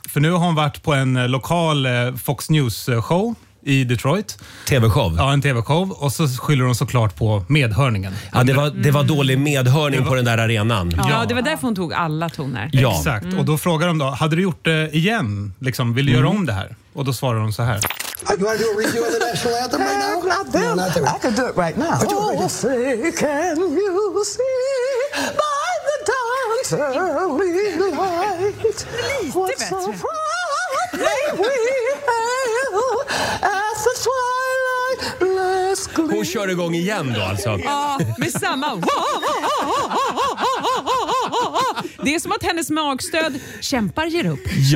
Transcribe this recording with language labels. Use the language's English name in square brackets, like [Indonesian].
[Swedish] För nu har hon varit på en lokal Fox News-show i Detroit. TV-show. Ja, en TV-show. Och så skyller de såklart på medhörningen. Ja, det var dålig medhörning på den där arenan. Ja, det var därför hon tog alla toner. Ja. Exakt. Mm. Och då frågar de då, hade du gjort det igen? Liksom, vill du göra om det här? Och då svarar de så här. [English] Do I do a review of the national anthem right now? No, not then. No, not I can do it right now. Oh, right now. Say, can you see by the dawn's early light what so proudly we hail as the twilight bless gleam. [Swedish] Hon kör igång igen då alltså. Ja, med samma. Det är som att hennes magstöd kämpar ger upp.